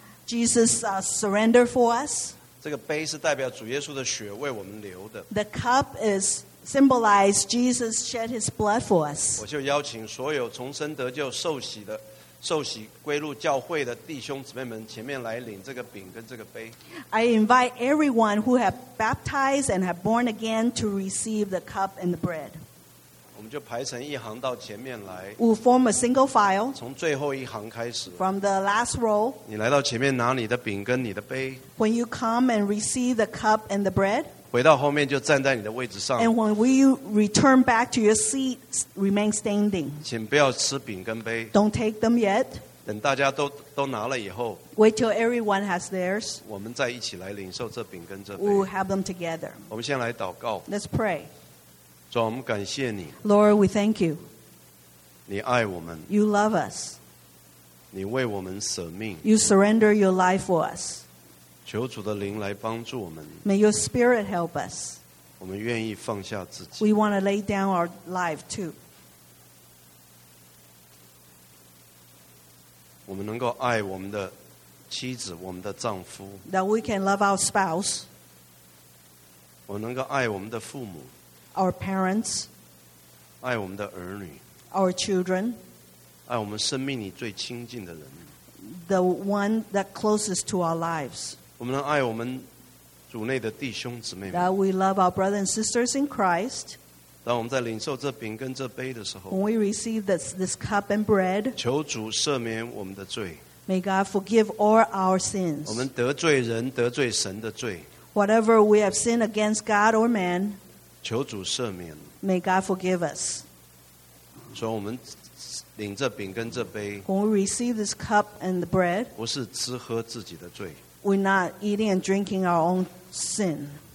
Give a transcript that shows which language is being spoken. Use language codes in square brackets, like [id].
[en] Jesus surrendered for us. [zh] 这个杯是代表主耶稣的血为我们流的。 [en] The cup is... symbolize Jesus shed his blood for us. [zh] 我就邀请所有重生得救受洗归入教会的弟兄姊妹们前面来领这个饼跟这个杯。 [en] I invite everyone who have baptized and have born again to receive the cup and the bread. [zh] 我们就排成一行到前面来。 [en] We'll form a single file. [zh] 从最后一行开始。 [en] From the last row. [zh] 你来到前面拿你的饼跟你的杯。 [en] When you come and receive the cup and the bread. [zh] 回到后面就站在你的位置上。 [en] And when we return back to your seat, remain standing. [zh] 请不要吃饼跟杯。 [en] Don't take them yet. [zh] 等大家都拿了以后。 [en] Wait till everyone has theirs. [zh] 我们再一起来领受这饼跟这杯。 [en] We'll have them together. [zh] 我们先来祷告。 [en] Let's pray. [zh] 主，我们感谢你。 [en] Lord, we thank you. [zh] 你爱我们。 [en] You love us. [zh] 你为我们舍命。 [en] You surrender your life for us. [zh] 求主的灵来帮助我们。 [en] May your spirit help us. [zh] 我们愿意放下自己。 [en] We want to lay down our life too. [zh] 我们能够爱我们的妻子，我们的丈夫。 [en] That we can love our spouse. [zh] 我们能够爱我们的父母。 [en] Our parents. [zh] 爱我们的儿女。 [en] our children. [zh] 爱我们生命里最亲近的人。 [en] The one that closest to our lives. [zh] 我们能爱我们主内的弟兄姊妹们。 [en] That we love our brothers and sisters in Christ. [zh] 当我们在领受这饼跟这杯的时候, [en] when we receive this cup and bread, [zh] 求主赦免我们的罪。 [en] May God forgive all our sins. [zh] 我们得罪人得罪神的罪。 [en] Whatever we have sinned against God or man, [zh] 求主赦免。 [en] May God forgive us. [zh] 所以我们领这饼跟这杯, [en] when we receive this cup and the bread, [zh] 不是吃喝自己的罪。 [en] We're not eating and drinking our own sin.